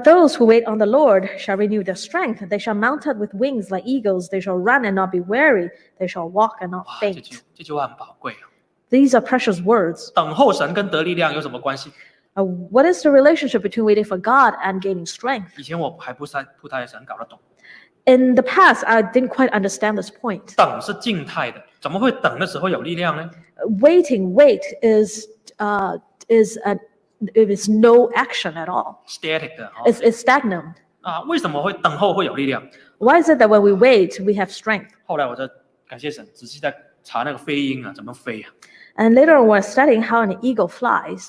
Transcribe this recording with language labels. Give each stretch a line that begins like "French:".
English: those who wait on the Lord shall renew their strength. They shall mount up with wings like eagles. They shall run and not be weary. They shall walk and not faint.
Chinese: 这句话很宝贵啊。
English: These are precious words.
Chinese: 等候神跟得力量有什么关系？
English: What is the relationship between waiting for God and gaining strength?
Chinese: 以前我还不太想搞得懂。
English: In the past, I didn't quite understand this point.
Chinese: 等是静态的, 怎么会等的时候有力量呢?
English: Wait is no action at all. Static的, it's stagnant.
Chinese: 啊, 为什么会等候会有力量?
English: Why is it that when we wait, we have strength?
Chinese: 后来我就感谢神, 仔细在查那个飞鹰啊, 怎么飞啊?
English: And later on, we're studying how an eagle flies.